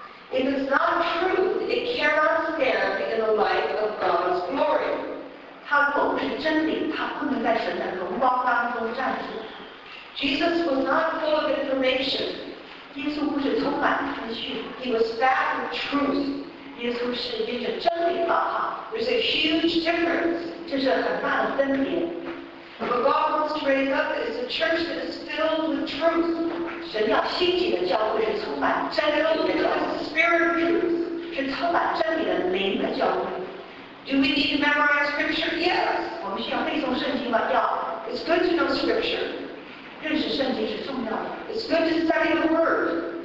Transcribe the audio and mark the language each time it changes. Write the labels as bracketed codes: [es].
[en] If it's not truth, it cannot stand in the light of God's glory. [zh] 它不是真理，它不能在神的荣光当中站立。 [en] Jesus was not full of information. [zh] 耶稣不是充满资讯。 [en] He was fat with truth. [zh] 耶稣是因着真理发胖。 [en] There's a huge difference. [zh] 这是很大的分别。 [en] What God wants to raise up is a church that is filled with truth. [zh] 神要兴起的教会是充满真理的教会。 [en] Filled with the Spirit of truth. [zh] 是充满真理的灵的教会。 [en] Do we need to memorize scripture? Yes. [zh] 我们需要背诵圣经吗？要。 [en] It's good to know scripture. [zh] 认识圣经是重要的。 [en] It's good to study the word.